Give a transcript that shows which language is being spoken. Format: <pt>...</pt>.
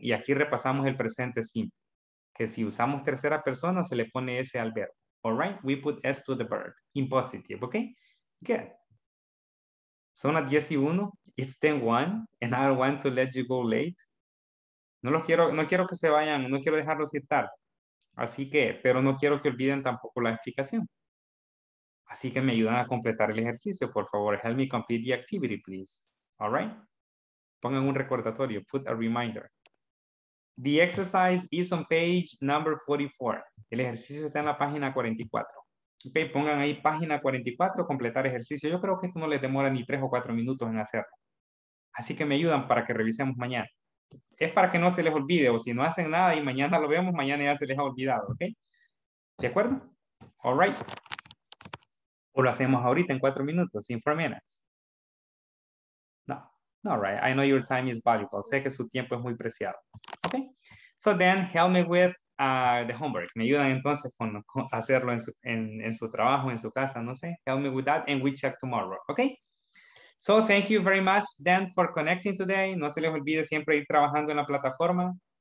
<es>Y aquí repasamos el presente simple, que si usamos tercera persona, se le pone S al verbo.</es> <en>All right, we put S to the verb, in positive, okay? Good.</en> <es>Son las 10:01,</es> <en>it's 10:01, and I don't want to let you go late.</en> <es>No quiero que se vayan, no quiero dejarlos ir tarde. Así que, pero no quiero que olviden tampoco la explicación. Así que me ayudan a completar el ejercicio, por favor.</es> <en>Help me complete the activity, please. All right?</en> <es>Pongan un recordatorio,</es> <en>put a reminder. The exercise is on page number 44.</en> <es>El ejercicio está en la página 44. Ok, pongan ahí página 44, completar ejercicio. Yo creo que esto no les demora ni 3 o 4 minutos en hacerlo. Así que me ayudan para que revisemos mañana. Es para que no se les olvide, o si no hacen nada y mañana lo vemos, mañana ya se les ha olvidado, ¿ok? ¿De acuerdo? All right. ¿O lo hacemos ahorita en 4 minutos,</es> <en>in 4 minutes? No, no, right. I know your time is valuable.</en> <es>Sé que su tiempo es muy preciado.</es> <en>¿Ok? So then, help me with the homework.</en> <es>Me ayudan entonces con hacerlo en su trabajo, en su casa, no sé.</es> <en>Help me with that and we check tomorrow, ¿ok? So thank you very much, Dan, for connecting today.</en> <es>No se les olvide siempre ir trabajando en la plataforma.</es>